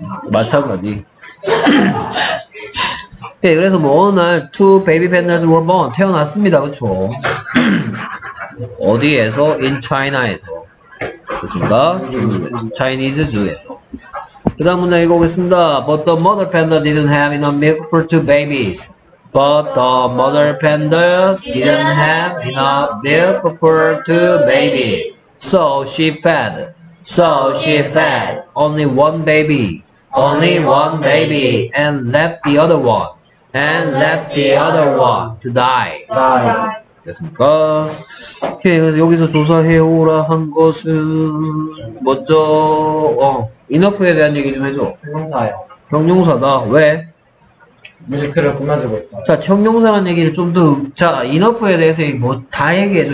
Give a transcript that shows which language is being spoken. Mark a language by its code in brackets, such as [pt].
[ko] 마찬가지. 네, 그래서 뭐 어느 날 [en] two baby pandas were born [ko] 태어났습니다. 그렇죠. 어디에서? In China에서. 그렇습니까? Chinese 주에서. 그 다음 문장 읽어보겠습니다. [en] But the mother panda didn't have enough milk for two babies. But the mother panda didn't have enough milk for two babies. So she fed. So she fed only one baby, only one baby, and left the other one, and left the other one to die. [ko] 됐습니까? 오케이, 그래서 여기서 조사해오라 한 것은 뭐죠? enough에 대한 얘기 좀 해줘. 형용사요. 형용사다. 왜? 밀크를 끝나주고 있어. 자, 형용사라는 얘기를 좀 더, 자, enough에 대해서 뭐 다 얘기해줘.